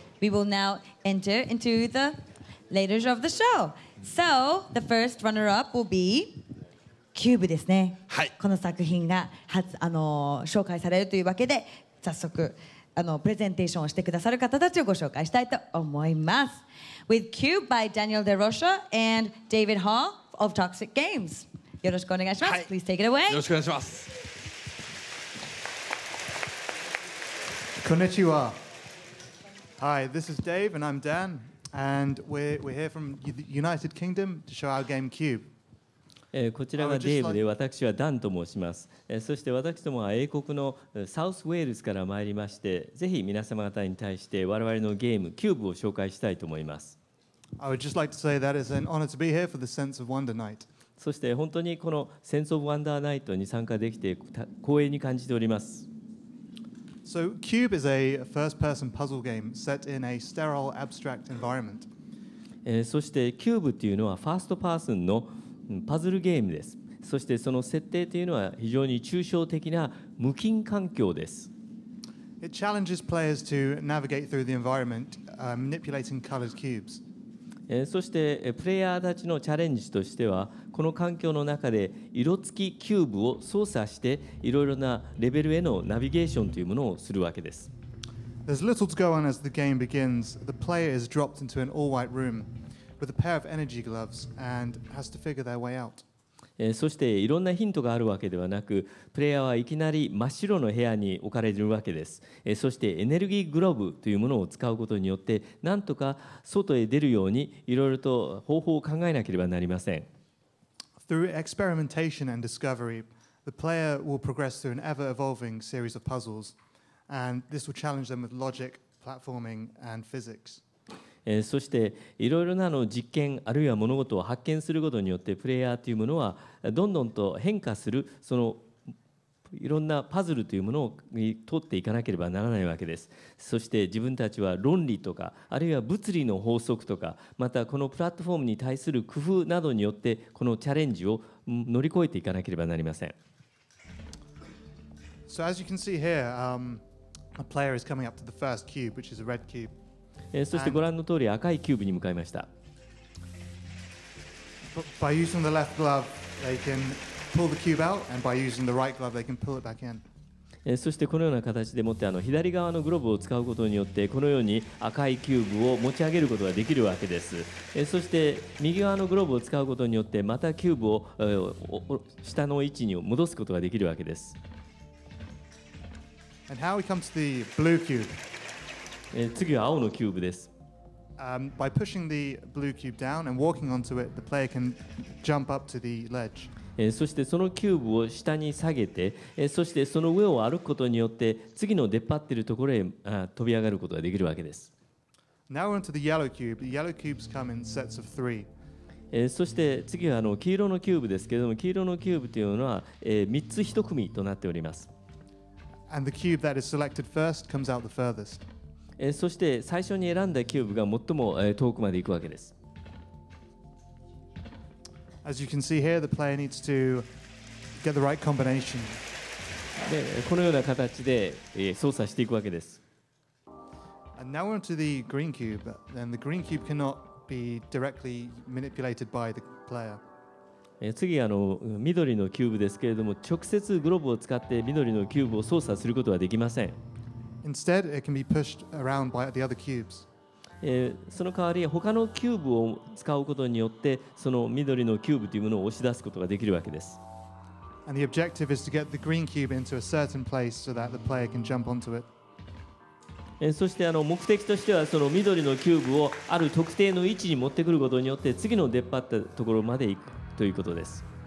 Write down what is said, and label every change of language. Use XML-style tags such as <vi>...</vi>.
<en>We will now enter into the later of the show. So, the first runner-up will be Q.U.B.E</en> <ja>ですね。はい。この作品が初、紹介されるというわけで、早速、プレゼンテーションをしてくださる方たちをご紹介したいと思います。</ja> <en>With Q.U.B.E by Daniel DeRocha and David Hall of Toxic Games.</en> <ja>よろしくお願いします。はい。</ja> <en>Please take it away.</en> <ja>よろしくお願いします。こんにちは。</ja> <en>Hi, this is Dave and I'm Dan. And we're here from the United Kingdom to show our game Q.U.B.E.</en> <ja>こちらがデーブで私はダンと申します。そして私どもは英国のサウスウェールズから参りまして、ぜひ皆様方に対して我々のゲームキューブを紹介したいと思います。</ja> <en>I would just like to say that it's an honor to be here for the Sense of Wonder Night.</en> <ja>そして本当にこのセンスオブワンダーナイトに参加できて光栄に感じております。</ja> <en>So Q.U.B.E is a first-person puzzle game set in a sterile abstract environment.</en> <ja>そしてキューブというのはファーストパーソンのパズルゲームです。そしてその設定というのは非常に抽象的な無菌環境です。</ja> <en>It challenges players to navigate through the environment, manipulating colored cubes.</en> <ja>そしてプレイヤーたちのチャレンジとしては、この環境の中で色付きキューブを操作して、いろいろなレベルへのナビゲーションというものをするわけです。</ja> <en>There's little to go on as the game begins. The player is dropped into an all-white room. With a pair of energy gloves and has to figure their way out.</en> <ja>そしていろんなヒントがあるわけではなく、プレイヤーはいきなり真っ白の部屋に置かれるわけです。そしてエネルギーグローブというものを使うことによって、なんとか外へ出るようにいろいろと方法を考えなければなりません。</ja> <en>Through experimentation and discovery, the player will progress through an ever-evolving series of puzzles, and this will challenge them with logic, platforming, and physics.</en> <ja>そしていろいろな実験あるいは物事を発見することによってプレイヤーというものはどんどんと変化するそのいろんなパズルというものを取っていかなければならないわけです。そして自分たちは論理とかあるいは物理の法則とかまたこのプラットフォームに対する工夫などによってこのチャレンジを乗り越えていかなければなりません。</ja> <en>So as you can see here, a player is coming up to the first cube, which is a red cube.</en> <ja>そしてご覧の通り赤いキューブに向かいました。そしてこのような形でもって左側のグローブを使うことによってこのように赤いキューブを持ち上げることができるわけです。そして右側のグローブを使うことによってまたキューブを下の位置に戻すことができるわけです。</ja> <en>And how we come to the blue cube?</en> <ja>次は青のキューブです。</ja> <en>By pushing the blue cube down and walking onto it, the player can jump up to the ledge.</en> <ja>そしてそのキューブを下に下げて、そしてその上を歩くことによって、次の出っ張っているところへ飛び上がることができるわけです。</ja> <en>Now we're onto the yellow cube. The yellow cubes come in sets of three.</en> <ja>そして次は黄色のキューブですけれども、黄色のキューブというのは、3つ1組となっております。</ja> <en>And the cube that is selected first comes out the furthest.</en> <ja>そして最初に選んだキューブが最も遠くまで行くわけです。</ja> <en>As you can see here, the player needs to get the right combination.</en> <ja>で、このような形で操作していくわけです。</ja> <en>And now we're onto the green cube. Then the green cube cannot be directly manipulated by the player.</en> <ja>次緑のキューブですけれども、直接グローブを使って緑のキューブを操作することはできません。</ja> <en>Instead, it can be pushed around by the other cubes.</en> <ja>その代わり他のキューブを使うことによってその緑のキューブというものを押し出すことができるわけです。</ja> <en>And the objective is to get the green cube into a certain place so that the player can jump onto it.</en> <ja>そして目的としてはその緑のキューブをある特定の位置に持ってくることによって次の出っ張ったところまで行くということです。</ja>